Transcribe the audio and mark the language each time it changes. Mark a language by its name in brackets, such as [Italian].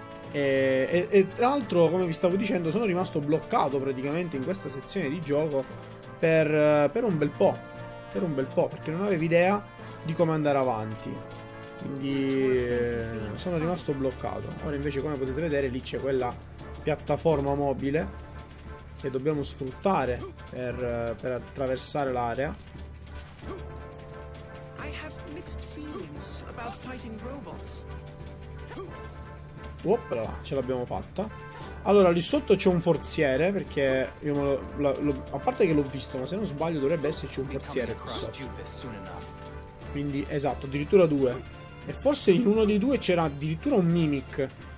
[Italian] E tra l'altro, come vi stavo dicendo, sono rimasto bloccato praticamente in questa sezione di gioco per un bel po', perché non avevo idea di come andare avanti. Quindi sono rimasto bloccato. Ora invece, come potete vedere, lì c'è quella piattaforma mobile che dobbiamo sfruttare per attraversare l'area. [English] I have mixed feelings about fighting robots. [Italian] Oppala, ce l'abbiamo fatta. Allora, lì sotto c'è un forziere, perché io me lo, a parte che l'ho visto, ma se non sbaglio dovrebbe esserci un forziere qua sotto. Quindi, esatto, addirittura due. E forse in uno dei due c'era addirittura un mimic.